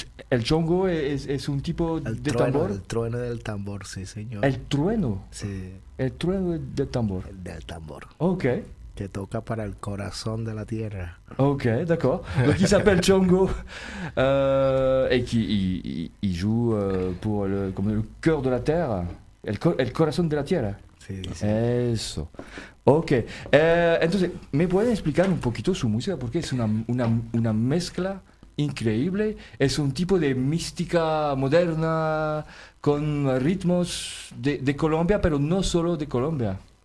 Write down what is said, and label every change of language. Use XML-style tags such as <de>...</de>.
<es>El Chongo es un tipo de tambor. El trueno del tambor, sí señor. El trueno. Sí. El trueno del tambor. Del tambor. Ok. Que toca para el corazón de la tierra.</es> <fr>Ok, d'accord. Donc, il s'appelle Chongo et qui joue pour le cœur de la terre.</fr> <es>El corazón de la tierra. Sí, sí. Eso. Ok. Entonces, ¿me pueden explicar un poquito su música? Porque es una mezcla increíble. Es un tipo de mística moderna con ritmos de Colombia, pero no solo de Colombia.</es>